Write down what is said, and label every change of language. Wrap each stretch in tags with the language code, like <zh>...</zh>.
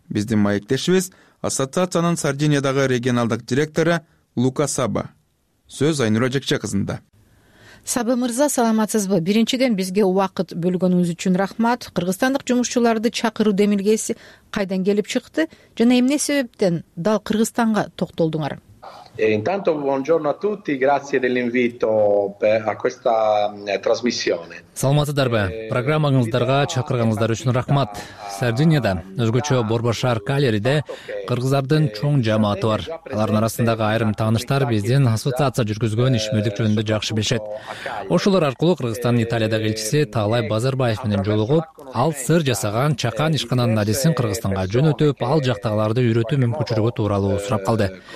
<ky>Биздин маектешибиз ассоциациянын Сардиниядагы регионалдык директору Лука Саба. Сөз Айнура Жекче кызында. Сабы мырза, саламатсызбы? Биринчиден бизге убакыт бөлгөнүңүз үчүн рахмат. Кыргызстандык жумушчуларды чакыруу демилгеси кайдан келип чыкты жана эмне себептен дал Кыргызстанга токтолдуңар?</ky> <it>Intanto buongiorno a tutti, grazie dell'invito a questa trasmissione.</it> <ky>Саламатсыздарбы? Программаңыздарга чакырганыңыздар үчүн рахмат. Сардинияда өзгөчө борбор шаар калериде кыргыздардын чоң жамааты бар. Алардын арасындагы айрым тааныштар биздин ассоциация жүргүзгөн ишмердик жөнүндө жакшы билишет. Ошолор аркылуу Кыргызстандын Италиядагы элчиси Таалай Базарбаев менен жолугуп, ал сыр жасаган чакан ишкананын адисин Кыргызстанга жөнөтүп, ал жактагыларды үйрөтүү мүмкүнчүлүгү тууралуу сурап калды.</ky>